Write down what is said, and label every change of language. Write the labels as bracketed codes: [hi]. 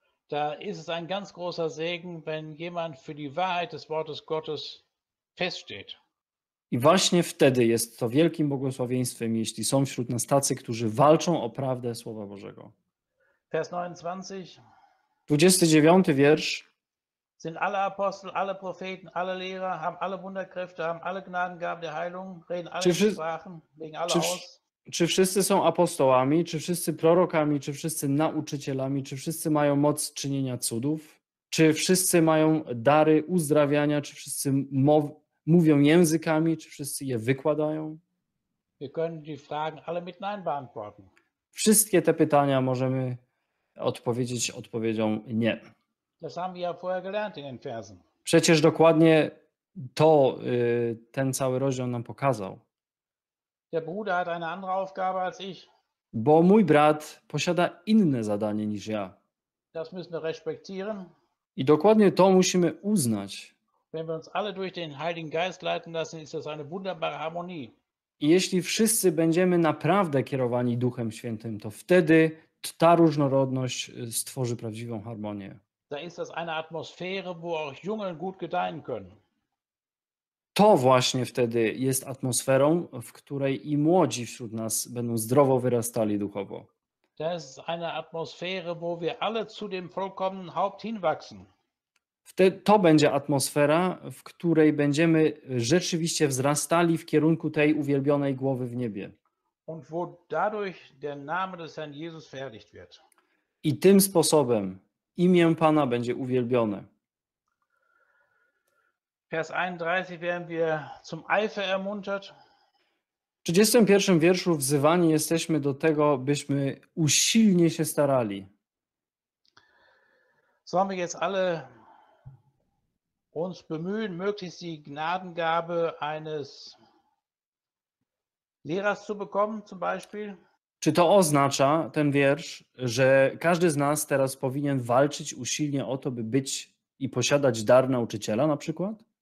[de] Da ist es ein ganz großer Segen, wenn jemand für die Wahrheit des Wortes Gottes feststeht. [pl] I właśnie wtedy jest to wielkim błogosławieństwem, jeśli są wśród nas tacy, którzy walczą o prawdę Słowa Bożego. [de] Vers 29. [pl] 29 wiersz. [de] Sind alle Apostel, alle Propheten, alle Lehrer, haben alle Wunderkräfte, haben alle Gnadengaben der Heilung, reden alle Sprachen, legen alle aus. [pl] Czy wszyscy są apostołami, czy wszyscy prorokami, czy wszyscy nauczycielami, czy wszyscy mają moc czynienia cudów? Czy wszyscy mają dary uzdrawiania, czy wszyscy mówią językami, czy wszyscy je wykładają? [de] Wir können die Fragen alle mit Nein beantworten. [pl] Wszystkie te pytania możemy odpowiedzieć odpowiedzią nie. [de] Das haben wir ja vorher gelernt in den Versen. [pl] Przecież dokładnie to ten cały rozdział nam pokazał. [de] Der Bruder hat eine andere Aufgabe als ich. [pl] Bo mój brat posiada inne zadanie niż ja. [de] Das müssen wir respektieren. [pl] I dokładnie to musimy uznać. [de] Wenn wir uns alle durch den Heiligen Geist leiten lassen, ist das eine wunderbare Harmonie. [pl] I jeśli wszyscy będziemy naprawdę kierowani Duchem Świętym, to wtedy ta różnorodność stworzy prawdziwą harmonię. [de] Da ist das eine Atmosphäre, wo auch Jungen gut gedeihen können. [pl] To właśnie wtedy jest atmosferą, w której i młodzi wśród nas będą zdrowo wyrastali duchowo. [de] Da ist eine Atmosphäre, wo wir alle zu dem vollkommenen Haupt hinwachsen. [pl] To będzie atmosfera, w której będziemy rzeczywiście wzrastali w kierunku tej uwielbionej głowy w niebie. [de] Und wo dadurch der Name des Herrn Jesus verherrlicht wird. [pl] I tym sposobem imię Pana będzie uwielbione. [de] Vers 31 werden wir zum Eifer ermuntert. [pl] W 31 wierszu wzywani jesteśmy do tego, byśmy usilnie się starali. [de] Sollen wir jetzt alle uns bemühen, möglichst die Gnadengabe eines Lehrers zu bekommen, zum Beispiel? [pl] Czy to oznacza, ten wiersz, że każdy z nas teraz powinien walczyć usilnie o to, by być i posiadać dar nauczyciela na przykład?